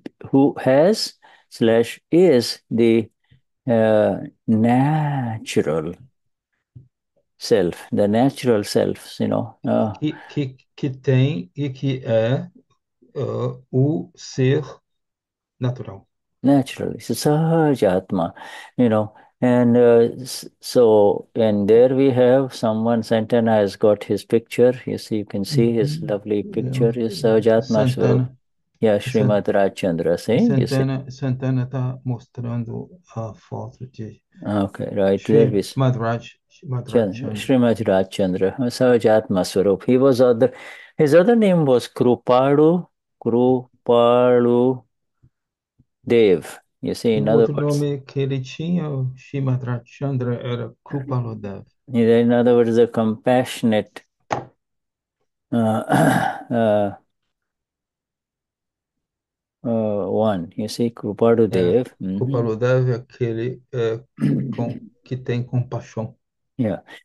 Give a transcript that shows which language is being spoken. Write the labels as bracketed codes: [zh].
[en] Who has slash is the natural self, the natural self, you know. [pt] Que tem e que é o ser natural. [en] Naturally, it's a Sahaja Atma, you know. And so, and there we have someone, Santana has got his picture. You see, you can see his lovely picture, his Sahaja Atma Swarup. Yeah, Srimad Rajchandra Singh, you see. [pt] Santana está mostrando a foto de [en] Okay, right, there we see. Madhurachandra. Srimad Rajchandra, Sahaja Atma Swarup. He was other, his other name was Krupalu, Krupalu Dev, you see, [pt] O [en] in other [pt] outro [en] words. [pt] nome que ele tinha, o Shimadrachandra, era Krupaludev. [en] In other words, a compassionate one, you see, [pt] É, Krupaludev. Krupaludev é aquele que tem compaixão. [en] Yeah.